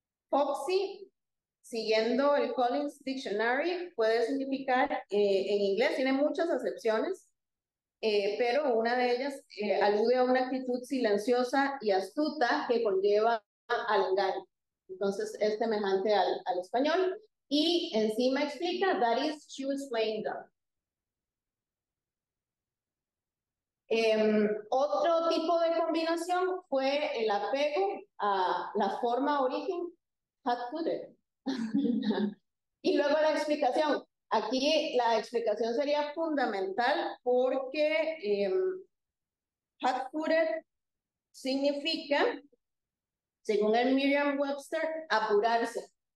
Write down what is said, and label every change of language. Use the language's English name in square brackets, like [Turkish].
[Spanish] Foxy, siguiendo el Collins Dictionary, puede significar en inglés, tiene muchas acepciones, pero una de ellas alude a una actitud silenciosa y astuta que conlleva al engaño. Entonces, es semejante al español. Y encima explica, [English] that is she was playing dumb. [Spanish] Otro tipo de combinación fue el apego a la forma origen, hot footed. Y luego la explicación. Aquí la explicación sería fundamental porque hot footed significa, según el Merriam-Webster, apurarse.